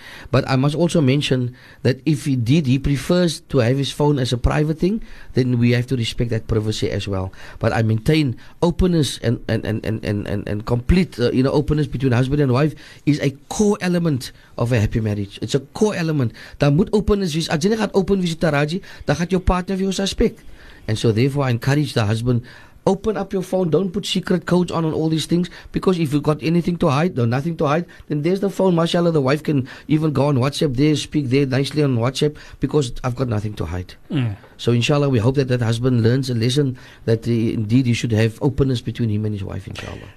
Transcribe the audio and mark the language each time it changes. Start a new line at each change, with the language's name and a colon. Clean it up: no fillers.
English: But I must also mention that if indeed he prefers to have his phone as a private thing, then we have to respect that privacy as well. But I maintain openness and complete openness between husband and wife is a core element of a happy marriage. It's a core element.
Afrikaans: Daar moet openness wees. As jy nie gaan open wees, Taraji, dan gaat jou partner vir jou suspect.
English: And so therefore I encourage the husband, open up your phone, don't put secret codes on and all these things, because if you've got anything to hide or nothing to hide, then there's the phone, mashallah, the wife can even go on WhatsApp there, speak there nicely on WhatsApp, because I've got nothing to hide. So inshallah, we hope that husband learns a lesson that indeed he should have openness between him and his wife, inshallah.